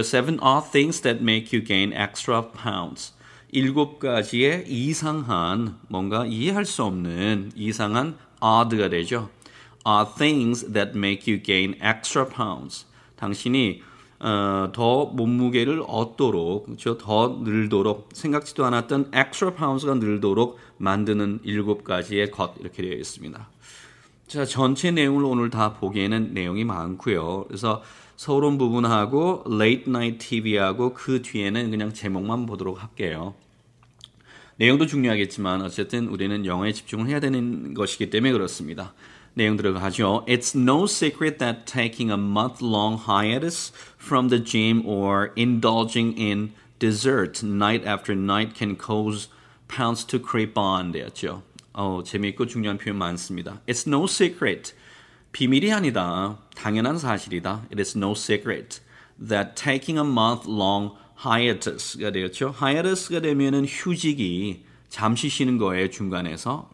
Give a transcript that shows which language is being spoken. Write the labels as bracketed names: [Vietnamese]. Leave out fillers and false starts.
[English] Seven odd things that make you gain extra pounds. [Korean] 일곱 가지의 이상한 뭔가 이해할 수 없는 이상한 odd가 되죠. [English] Odd things that make you gain extra pounds. [Korean] 당신이 더 몸무게를 얻도록, 그렇죠? 더 늘도록, 생각지도 않았던 [English] extra pounds [Korean] 가 늘도록 만드는 일곱 가지의 것, 이렇게 되어 있습니다. 자, 전체 내용을 오늘 다 보기에는 내용이 많고요. 그래서 서론 부분하고 late night TV하고 그 뒤에는 그냥 제목만 보도록 할게요. 내용도 중요하겠지만 어쨌든 우리는 영어에 집중을 해야 되는 것이기 때문에 그렇습니다. 내용 들어가죠. [English] It's no secret that taking a month-long hiatus from the gym or indulging in dessert night after night can cause pounds to creep on. [Korean] 되었죠. 재미있고 중요한 표현 많습니다. [English] It's no secret. [Korean] 비밀이 아니다. 당연한 사실이다. [English] It is no secret that taking a month-long hiatus가 [Korean] 되었죠. Hiatus가 되면은 휴직이 잠시 쉬는 거예요, 중간에서.